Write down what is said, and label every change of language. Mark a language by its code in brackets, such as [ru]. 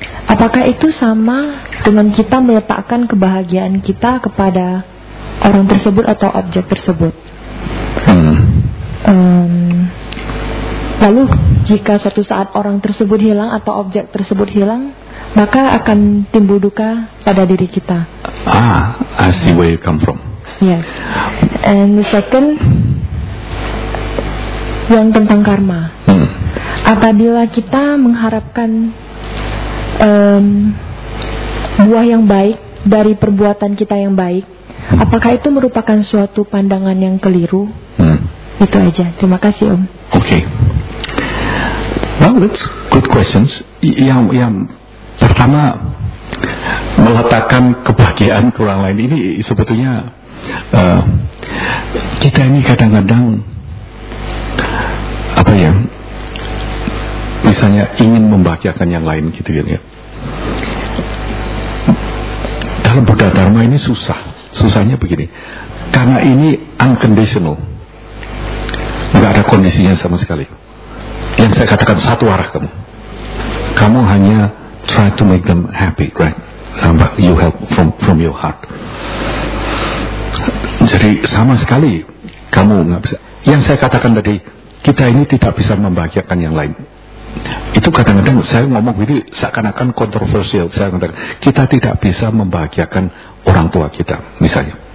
[id] Apakah itu sama dengan kita meletakkan kebahagiaan kita kepada orang tersebut atau objek tersebut? Mm-hmm. Lalu jika suatu saat orang tersebut hilang atau objek tersebut hilang, maka akan timbul duka pada diri kita. [en] Ah, I see where you come from. Yes. And the second, [id] yang tentang karma. Apabila kita mengharapkan buah yang baik dari perbuatan kita yang baik, apakah itu merupakan suatu pandangan yang keliru? Itu aja. Terima kasih Om. [en] Okay. Well, it's good questions. [id] Yang pertama, meletakkan kebahagiaan ke orang lain. Ini sebetulnya kita ini kadang-kadang apa ya, misalnya ingin membahagiakan yang lain gitu-gitu ya. Dalam Buddha Dharma ini susah. Susahnya begini, karena ini unconditional, gak ada kondisinya sama sekali. Yang saya katakan satu arah kamu. Kamu hanya [en] try to make them happy, right? But you help from your heart. [id] Jadi sama sekali kamu nggak bisa. Yang saya katakan tadi, kita ini tidak bisa membahagiakan yang lain. Itu kadang-kadang saya ngomong ini seakan-akan kontroversial. Saya katakan kita tidak bisa membahagiakan orang tua kita, misalnya.